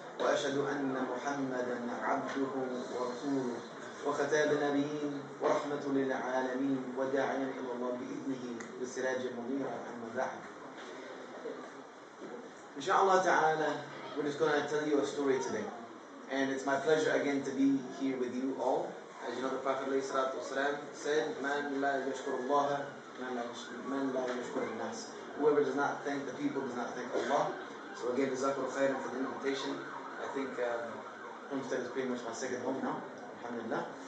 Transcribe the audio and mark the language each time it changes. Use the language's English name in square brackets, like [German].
[Arabic] وأشهد أن محمدًا عبده ورسوله وختام النبيين ورحمة للعالمين وداعيا إلى الله بإذنه بسراج منير أما بعد. [English] إن شاء الله تعالى, we're just going to tell you a story today, and it's my pleasure again to be here with you all. As you know, the Prophet عليه الصلاة والسلام said, "من لا يشكر الله من لا يشكر الناس." Whoever does not thank the people does not thank Allah. So again, جزاكم الخير for the invitation. I think Homestead is pretty much my second home now, alhamdulillah.